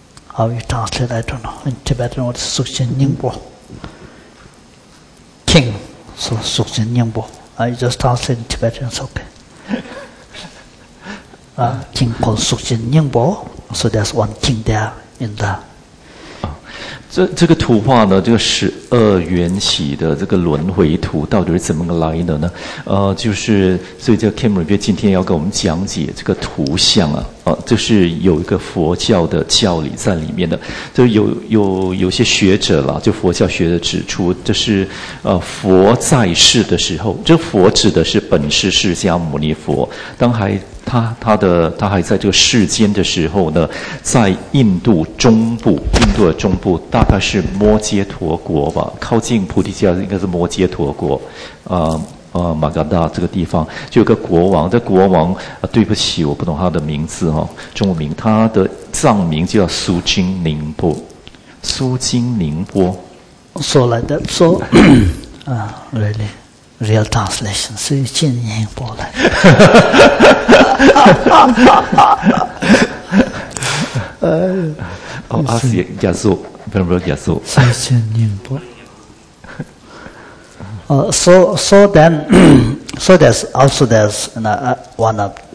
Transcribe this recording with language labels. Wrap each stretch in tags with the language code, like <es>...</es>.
<en>How you translate, I don't know. In Tibetan, what's Sukchen Nyingpo? King, so Sukchen Nyingpo. I just translate in Tibetan, it's okay. King called Sukchen Nyingpo, so there's one king there in the.</en> <zh>这个图画呢，这个十二缘起的这个轮回图到底是怎么个来的呢？就是所以这个 Cameron 今天要给我们讲解这个图像啊，就是有一个佛教的教理在里面的，就有些学者啦，就佛教学者指出，这是佛在世的时候，这佛指的是本师释迦牟尼佛，他还在这个世间的时候呢，在印度的中部大概是摩揭陀国吧，靠近菩提迦应该是摩揭陀国，马嘎达这个地方就有个国王，这国王对不起我不懂他的名字哈，中文名，他的藏名叫苏金宁波。</zh> <en>So like that, so really. Real translation, so you can hear about that. Oh, ask you, Yasu, remember Yasu. So you can hear about that. So then, so there's also there's one of</en>